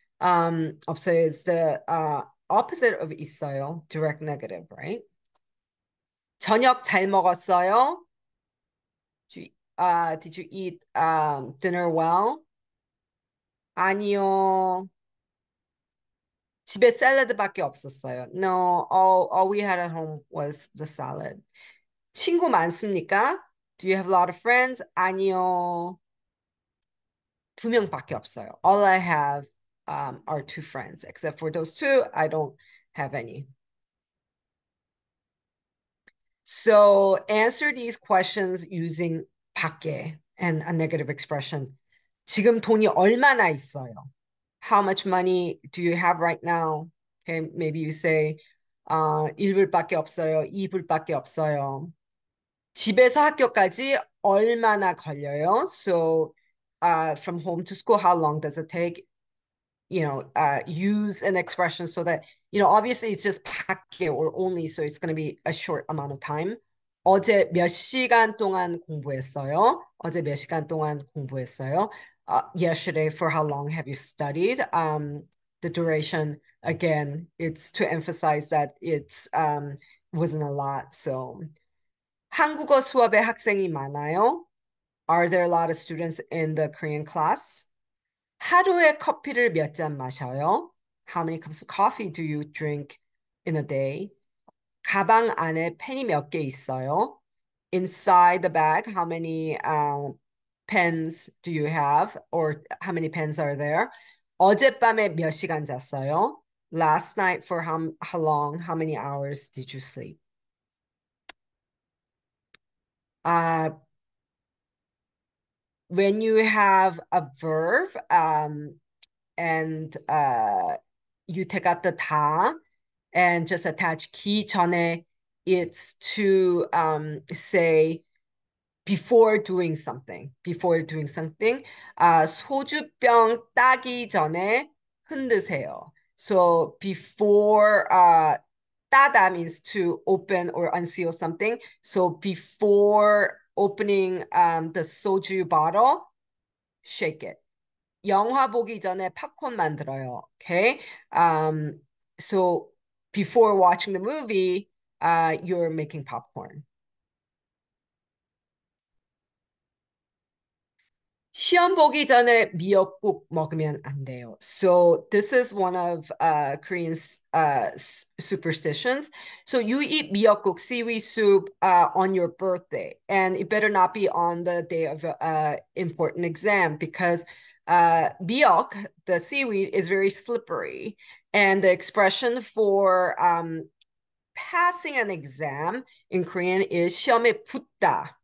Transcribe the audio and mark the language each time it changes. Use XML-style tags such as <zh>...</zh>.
<en>없어요 is the opposite of 있어요. Direct negative, right?</en> <ko>저녁 잘 먹었어요?</ko> <en>Did you eat dinner well?</en> <ko>아니요. 집에 샐러드밖에 없었어요.</ko> <en>No, all we had at home was the salad.</en> <ko>친구 많습니까?</ko> <en>Do you have a lot of friends?</en> <ko>아니요. 두 명밖에 없어요.</ko> <en>All I have are two friends. Except for those two, I don't have any. So answer these questions using 밖에 and a negative expression.</en> <ko>지금 돈이 얼마나 있어요?</ko> <en>How much money do you have right now? Okay, maybe you say</en> <ko>1불밖에 없어요, 2불밖에 없어요. 집에서 학교까지 얼마나 걸려요?</ko> <en>So from home to school, how long does it take? You know, use an expression so that, you know, obviously it's just 밖에 or only, so it's going to be a short amount of time.</en> <ko>어제 몇 시간 동안 공부했어요? 어제 몇 시간 동안 공부했어요?</ko> <en>Yesterday, for how long have you studied? The duration, again, it's to emphasize that it's wasn't a lot, so...</en> <ko>한국어 수업에 학생이 많아요?</ko> <en>Are there a lot of students in the Korean class?</en> <ko>하루에 커피를 몇 잔 마셔요?</ko> <en>How many cups of coffee do you drink in a day?</en> <ko>가방 안에 펜이 몇 개 있어요?</ko> <en>Inside the bag, how many pens do you have? Or how many pens are there?</en> <ko>어젯밤에 몇 시간 잤어요?</ko> <en>Last night, for how long, how many hours did you sleep? When you have a verb, and you take out the 다 and just attach 기 전에, it's to say before doing something. Before doing something,</en> <ko>소주병 따기 전에 흔드세요.</ko> <en>So before, 따다 means to open or unseal something. So before opening the soju bottle, shake it.</en> <ko>영화 보기 전에 팝콘 만들어요.</ko> <en>Okay. So before watching the movie, you're making popcorn.</en> <ko>시험 보기 전에 미역국 먹으면 안 돼요.</ko> <en>So this is one of Korean's superstitions. So you eat 미역국, seaweed soup, on your birthday. And it better not be on the day of an important exam, because 미역, the seaweed, is very slippery. And the expression for passing an exam in Korean is</en> <ko>시험에 붙다.</ko>